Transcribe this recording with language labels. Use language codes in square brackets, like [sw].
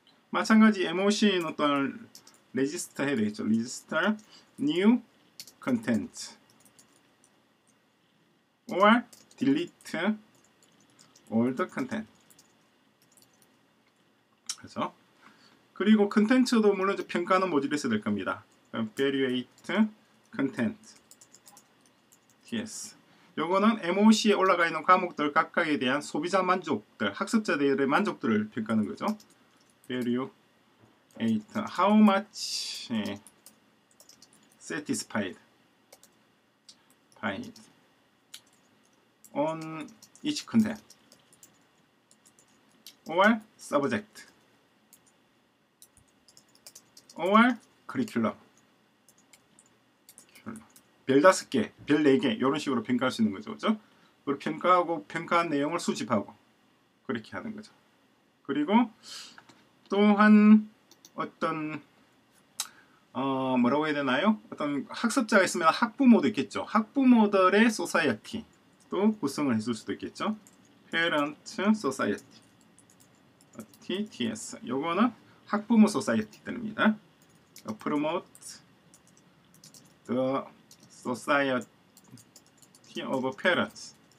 [ko] 마찬가지 MOC는 어떤 register 해야 되겠죠. [en] register new content or delete old content. [ko] 그렇죠? 그리고 content도 물론 평가는 모듈에 써야 될 겁니다. [en] evaluate content. yes. [ko] 요거는 MOC에 올라가 있는 과목들 각각에 대한 소비자 만족들, 학습자들의 만족들을 평가하는 거죠. [en] evaluate How much satisfied by it on each content or subject or curriculum? [ko] 별 다섯 개, 별 네 개 이런 식으로 평가할 수 있는 거죠, 그렇죠? 그걸 평가하고 평가한 내용을 수집하고 그렇게 하는 거죠. 그리고 또한 어떤 뭐라고 해야 되나요? 어떤 학습자가 있으면 학부모도 있겠죠. 학부모들의 소사이어티도 구성을 했을 수도 있겠죠. Parent Society TTS 요거는 학부모 소사이어티들입니다. [en] Promote the Society of Parents.